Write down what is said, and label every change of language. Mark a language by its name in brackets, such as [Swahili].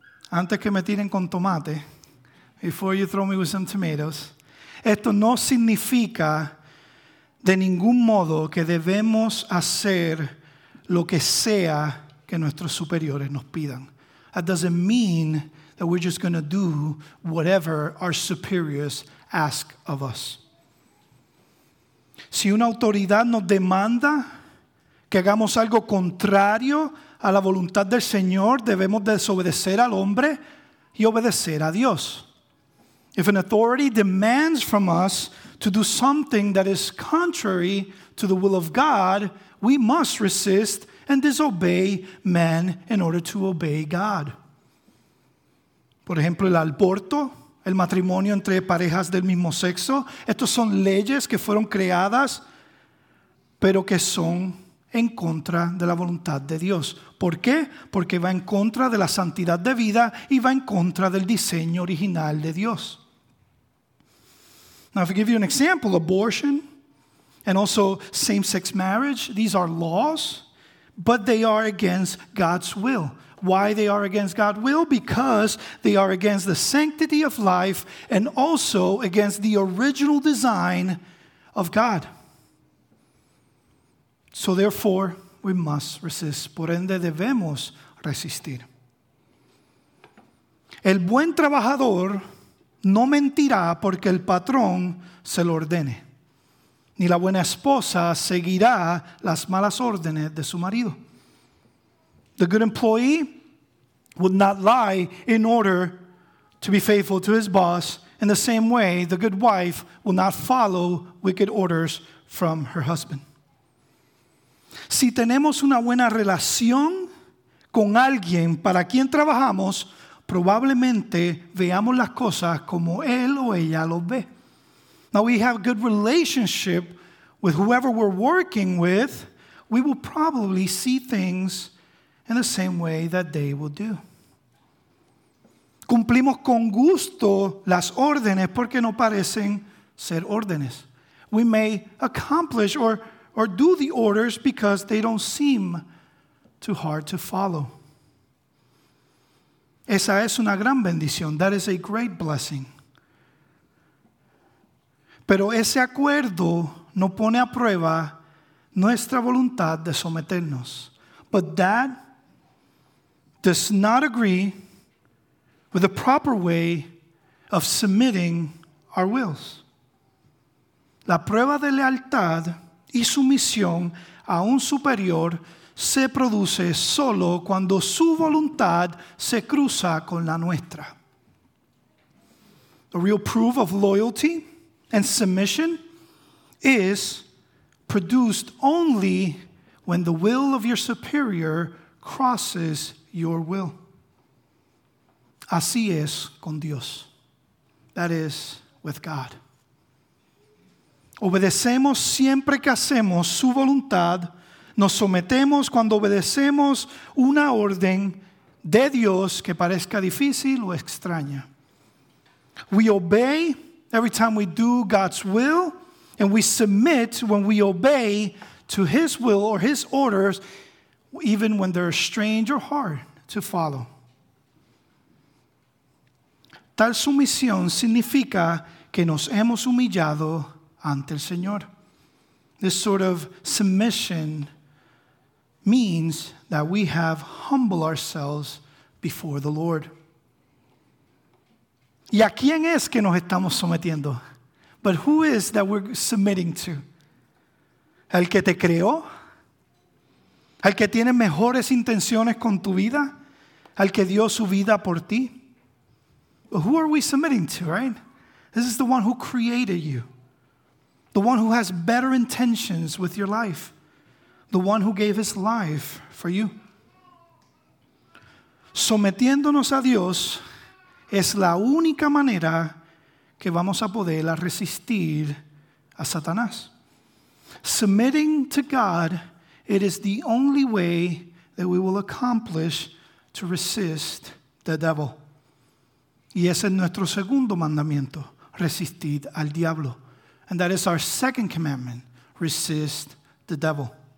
[Spanish] Antes que me tiren con tomate, [English] before you throw me with some tomatoes, [Spanish] esto no significa de ningún modo que debemos hacer lo que sea que nuestros superiores nos pidan. [English] That doesn't mean that we're just going to do whatever our superiors ask of us. [Spanish] Si una autoridad nos demanda que hagamos algo contrario a la voluntad del Señor, debemos desobedecer al hombre y obedecer a Dios. [English] If an authority demands from us to do something that is contrary to the will of God, we must resist and disobey man in order to obey God. [Spanish] Por ejemplo, el aborto, el matrimonio entre parejas del mismo sexo, estos son leyes que fueron creadas, pero que son en contra de la voluntad de Dios. ¿Por qué? Porque va en contra de la santidad de vida y va en contra del diseño original de Dios. [English] Now, if I give you an example, abortion and also same-sex marriage, these are laws, but they are against God's will. Why they are against God's will? Because they are against the sanctity of life and also against the original design of God. So therefore, we must resist. [Spanish] Por ende, debemos resistir. El buen trabajador no mentirá porque el patrón se lo ordene. Ni la buena esposa seguirá las malas órdenes de su marido. [English] The good employee would not lie in order to be faithful to his boss. In the same way, the good wife will not follow wicked orders from her husband. [Spanish] Si tenemos una buena relación con alguien para quien trabajamos, probablemente veamos las cosas como él o ella lo ve. [English] Now we have a good relationship with whoever we're working with, we will probably see things in the same way that they will do. [Spanish] Cumplimos con gusto las órdenes porque no parecen ser órdenes. [English] We may accomplish or do the orders because they don't seem too hard to follow. [Spanish] Esa es una gran bendición. [English] That is a great blessing. [Spanish] Pero ese acuerdo no pone a prueba nuestra voluntad de someternos. [English] But that does not agree with the proper way of submitting our wills. [Spanish] La prueba de lealtad y sumisión a un superior se produce solo cuando su voluntad se cruza con la nuestra. [English] The real proof of loyalty and submission is produced only when the will of your superior crosses your will. [Spanish] Así es con Dios. [English] That is with God. [Spanish] Obedecemos siempre que hacemos su voluntad. Nos sometemos cuando obedecemos una orden de Dios que parezca difícil o extraña. [English] We obey every time we do God's will, and we submit when we obey to his will or his orders, even when they're strange or hard to follow. [Spanish] Tal sumisión significa que nos hemos humillado ante el Señor. [English] This sort of submission means that we have humbled ourselves before the Lord. [Spanish] ¿Y a quién es que nos estamos sometiendo? [English] But who is that we're submitting to? [Spanish] ¿Al que te creó? ¿Al que tiene mejores intenciones con tu vida? ¿Al que dio su vida por ti? [English] But who are we submitting to, right? This is the one who created you. The one who has better intentions with your life. The one who gave his life for you. [Spanish] Sometiéndonos a Dios es la única manera que vamos a poder resistir a Satanás. [English] Submitting to God, it is the only way that we will accomplish to resist the devil. [Spanish] Y ese es nuestro segundo mandamiento, resistid al diablo. [English] And that is our second commandment, resist the devil.